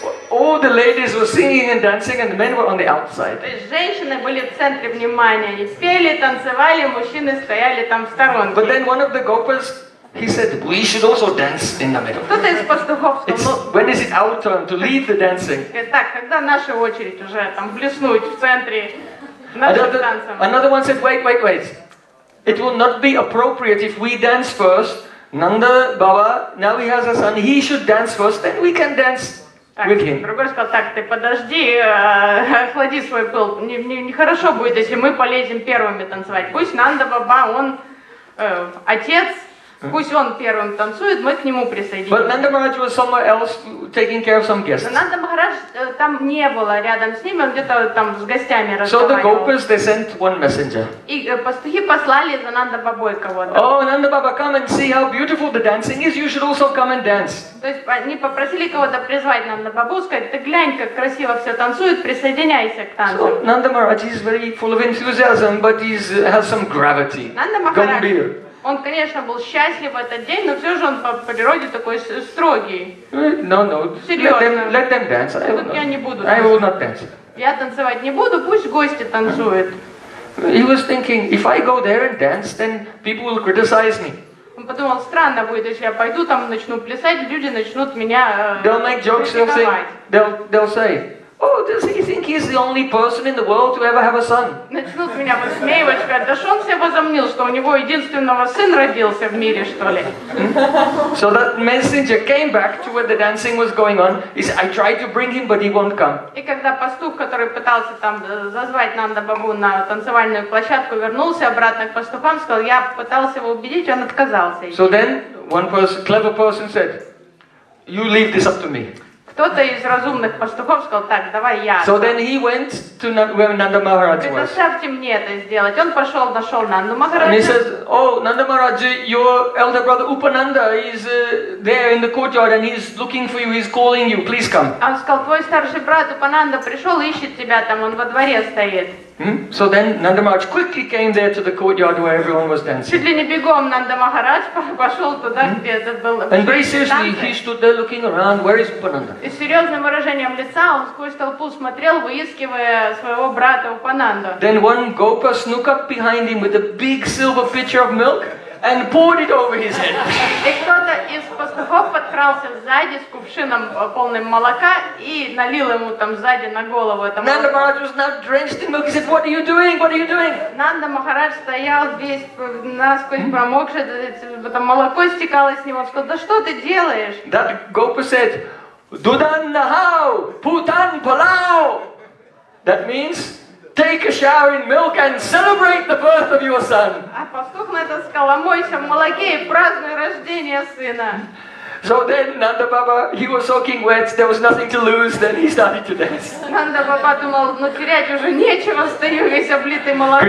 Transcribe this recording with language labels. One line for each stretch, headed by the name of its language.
English: Dancing and the men were on the outside.
Russian: Женщины были в центре внимания, они пели, танцевали, мужчины стояли там в сторонке.
English: But then one of the gopas, he said, we should also dance in the middle.
Russian: Кто-то из пастухов сказал,
English: when is it our turn to lead the dancing?
Russian: Так, когда наша очередь уже там блеснуть в центре нашим танцем?
English: Another one said, wait. It will not be appropriate if we dance first. Nanda Baba, now he has a son, he should dance first, then we can dance.
Russian: Так, другой сказал, так, ты подожди, охлади свой пыл, нехорошо будет, если мы полезем первыми танцевать. Пусть Нанда Баба, он отец, пусть он первым танцует, мы к нему присоединимся.
English: But Nanda Maharaj was somewhere else taking care of some guests.
Russian: Но Нанда Махарадж там не было рядом с ними, он где-то там с гостями разговаривал.
English: So the gopis, they sent one messenger.
Russian: И пастухи послали за Нанда Бабой кого-то.
English: Oh, Nanda Baba, come and see how beautiful the dancing is, you should also come and dance.
Russian: То есть они попросили кого-то призвать Нанда Бабу, сказать, ты глянь, как красиво все танцуют, присоединяйся к танцам.
English: So Nanda Maharaj is very full of enthusiasm, but he has some gravity. Nanda Maharaj. Gambir.
Russian: Он, конечно, был счастлив в этот день, но все же он по природе такой строгий.
English: No.
Russian: Серьезно.
English: Let them dance.
Russian: Тут я не буду.
English: I will not dance.
Russian: Я танцевать не буду, пусть гости танцуют.
English: He was thinking, if I go there and dance, then people will criticize me.
Russian: Он подумал, странно будет, если я пойду там начну плясать, люди начнут меня критиковать.
English: They'll make jokes, they'll say, oh, does he think he's the only person in the world to ever have a son?
Russian: Начнут меня высмеивать, сказать, да что он себе возомнил, что у него единственного сын родился в мире, что ли?
English: So that messenger came back to where the dancing was going on. He said, I tried to bring him, but he won't come.
Russian: И когда пастух, который пытался там зазвать Нанда Бабу на танцевальную площадку, вернулся обратно к пастухам, сказал, я пытался его убедить, он отказался.
English: So then, one person, clever person said, you leave this up to me.
Russian: Кто-то из разумных пастухов сказал, так, давай я.
English: So then he went to where Nanda Maharaj was.
Russian: Предоставьте мне это сделать. Он пошел, нашел Нанду Махараджа.
English: And he says, oh, Nanda Maharaj, your elder brother Upananda is there in the courtyard and he's looking for you, he's calling you, please come.
Russian: Он сказал, твой старший брат Упананда пришел, ищет тебя там, он во дворе стоит.
English: So then Nanda Maharaj quickly came there to the courtyard where everyone was dancing.
Russian: Чуть ли не бегом Нанда Махарадж пошел туда, где этот был.
English: And very seriously, he stood there looking around. Where is Upananda?
Russian: И с серьезным выражением лица он сквозь толпу смотрел, выискивая своего брата Упананду.
English: Then one gopa snuck up behind him with a big silver pitcher of milk and poured it over his head.
Russian: И кто-то из пастухов подкрался сзади с кувшином полным молока и налил ему там сзади на голову это молоко.
English: Nanda Maharaj was now drenched in milk. He said, "What are you doing? What are you doing?"
Russian: Нанда Махарадж стоял весь насквозь промокший, это молоко стекало с него. Сказал, "Да что ты делаешь?"
English: That gopa said,
Hindi: "Dudan nahau, putan palau."
English: That means take a shower in milk and celebrate the birth of your son.
Russian: А пастух на это сказал, омойся в молоке и празднуй рождение сына.
English: So then Nanda Baba, he was soaking wet, there was nothing to lose, then he started to dance.
Russian: Nanda Baba думал, ну терять уже нечего, стою весь облитый молоком.